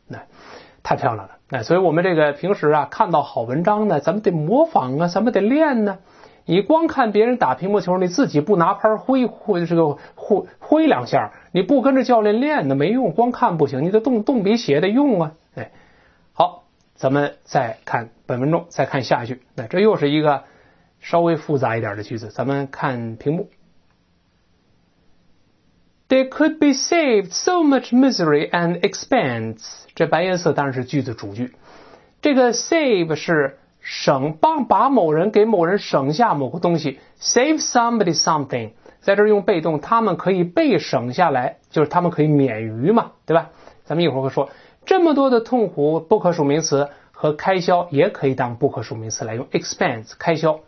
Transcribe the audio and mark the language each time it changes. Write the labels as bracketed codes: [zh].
[zh] 那、太漂亮了。那、所以我们这个平时啊，看到好文章呢，咱们得模仿啊，咱们得练呢、你光看别人打乒乓球，你自己不拿拍挥挥这个挥两下，你不跟着教练练呢，没用。光看不行，你得动笔写得用啊。哎，好，咱们再看本文中，再看下一句。那、这又是一个稍微复杂一点的句子，咱们看屏幕。 [en] They could be saved so much misery and expense. [zh] 这白颜色当然是句子主句。这个 save 是省，帮把某人给某人省下某个东西。 [en] Save somebody something. [zh] 在这用被动，他们可以被省下来，就是他们可以免于嘛，对吧？咱们一会儿会说，这么多的痛苦不可数名词和开销也可以当不可数名词来用 expense 开销。